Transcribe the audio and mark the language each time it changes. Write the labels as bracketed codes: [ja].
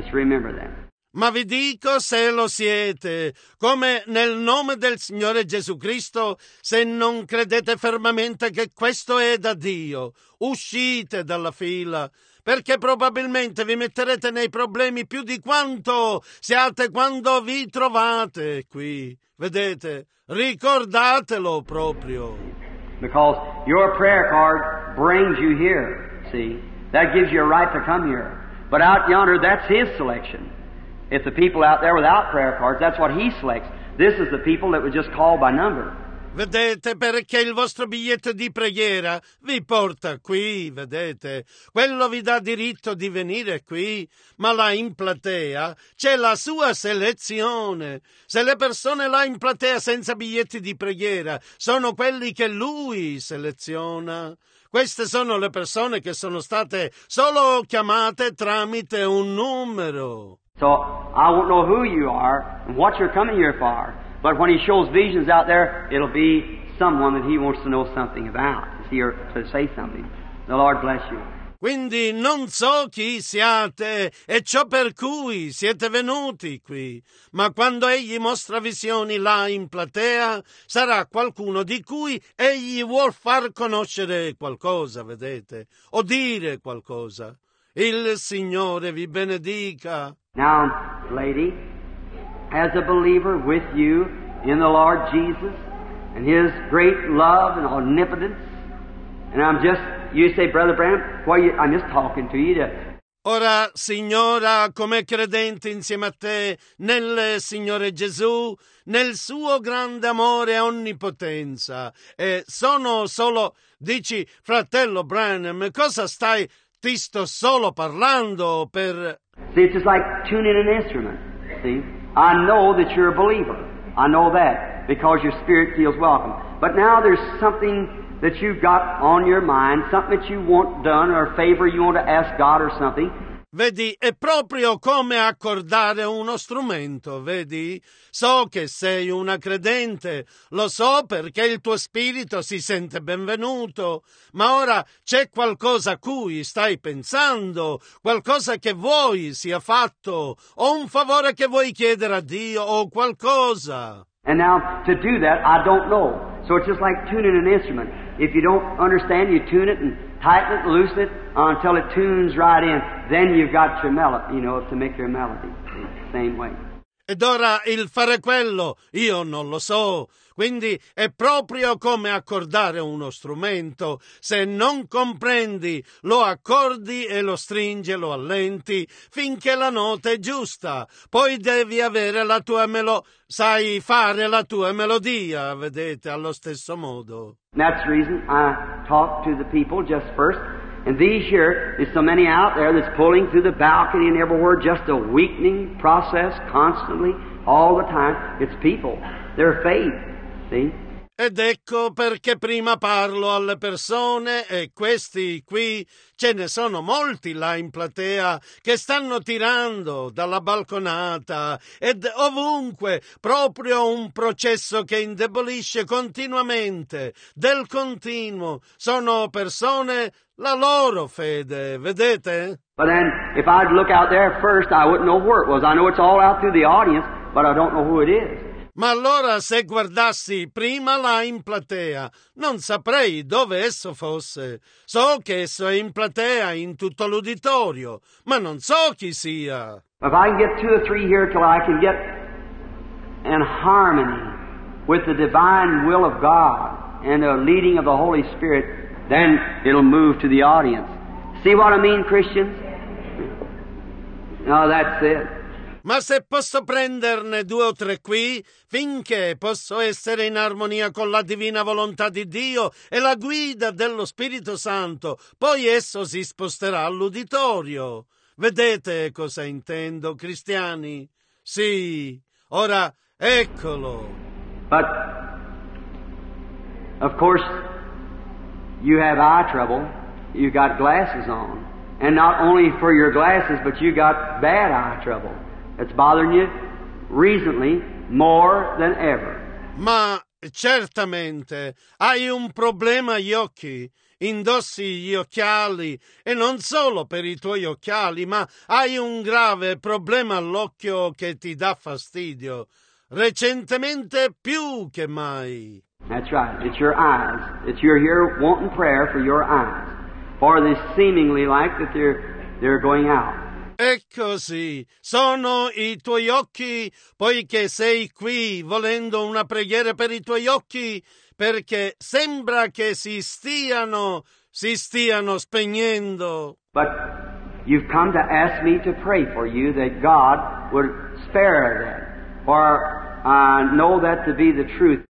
[en] Just remember that. [it] Ma vi dico se lo siete, come nel nome del Signore Gesù Cristo, se non credete fermamente che questo è da Dio, uscite dalla fila, perché probabilmente vi metterete nei problemi più di quanto siate quando vi trovate qui. Vedete, ricordatelo proprio. [en] Because your prayer card brings you here, see? That gives you a right to come here. But out yonder, that's his selection. If the people out there without prayer cards, that's what he selects. This is the people that were just called by number. [it] Vedete, perché il vostro biglietto di preghiera vi porta qui, vedete? Quello vi dà diritto di venire qui, ma là in platea c'è la sua selezione. Se le persone là in platea senza biglietti di preghiera sono quelli che lui seleziona, queste sono le persone che sono state solo chiamate tramite un numero. [en] So I won't know who you are and what you're coming here for, but when he shows visions out there, it'll be someone that he wants to know something about, to see or to say something. The Lord bless you. [it] Quindi non so chi siate e ciò per cui siete venuti qui, ma quando egli mostra visioni là in platea, sarà qualcuno di cui egli vuol far conoscere qualcosa, vedete, o dire qualcosa. Il Signore vi benedica. [en] Now, lady, as a believer with you in the Lord Jesus and his great love and omnipotence, and I'm just, you say, Brother Branham, why you, I'm just talking to you. To... [it] Ora, signora, come credente insieme a te nel Signore Gesù, nel suo grande amore e onnipotenza, e sono solo, dici, fratello Branham, cosa stai, ti sto solo parlando per... [en] See, it's just like tuning an instrument, see? I know that you're a believer. I know that, because your spirit feels welcome. But now there's something that you've got on your mind, something that you want done or a favor you want to ask God or something. [it] Vedi, è proprio come accordare uno strumento, vedi? So che sei una credente, lo so perché il tuo spirito si sente benvenuto, ma ora c'è qualcosa a cui stai pensando, qualcosa che vuoi sia fatto, o un favore che vuoi chiedere a Dio, o qualcosa. [en] And now, to do that, I don't know. So it's just like tuning an instrument. If you don't understand, you tune it and tighten it, loosen it, until it tunes right in. Then you've got your melody, you know, to make your melody. Same way. [it] Ed ora il fare quello, io non lo so. Quindi è proprio come accordare uno strumento. Se non comprendi, lo accordi e lo stringi e lo allenti finché la nota è giusta. Poi devi avere la tua melodia, sai fare la tua melodia, vedete, allo stesso modo. [en] That's the reason I talk to the people just first. And these here, there's so many out there that's pulling through the balcony and everywhere, just a weakening process constantly, all the time. It's people, their faith, see? [it] Ed ecco perché prima parlo alle persone e questi qui, ce ne sono molti là in platea che stanno tirando dalla balconata ed ovunque, proprio un processo che indebolisce continuamente, del continuo, sono persone, la loro fede, vedete? [en] But then, if I'd look out there first, I wouldn't know where it was. I know it's all out through the audience, but I don't know who it is. [it] Ma allora se guardassi prima là in platea, non saprei dove esso fosse. So che esso è in platea in tutto l'uditorio, ma non so chi sia. [en] If I can get two or three here till I can get in harmony with the divine will of God and the leading of the Holy Spirit, then it'll move to the audience. See what I mean, Christians? No, that's it. [it] Ma se posso prenderne due o tre qui, finché posso essere in armonia con la divina volontà di Dio e la guida dello Spirito Santo, poi esso si sposterà all'uditorio. Vedete cosa intendo, cristiani? Sì, ora eccolo. [en] But, of course, you have eye trouble, you got glasses on. And not only for your glasses, but you got bad eye trouble. It's bothering you recently more than ever. [it] Ma certamente hai un problema agli occhi. Indossi gli occhiali e non solo per i tuoi occhiali, ma hai un grave problema all'occhio che ti dà fastidio. Recentemente più che mai. [en] That's right. It's your eyes. It's you're here wanting prayer for your eyes. For this seemingly like that they're going out. [it] Ecco sì, sono i tuoi occhi, poiché sei qui volendo una preghiera per i tuoi occhi, perché sembra che si stiano spegnendo. [en] But you've come to ask me to pray for you that God would spare them, for I know that to be the truth.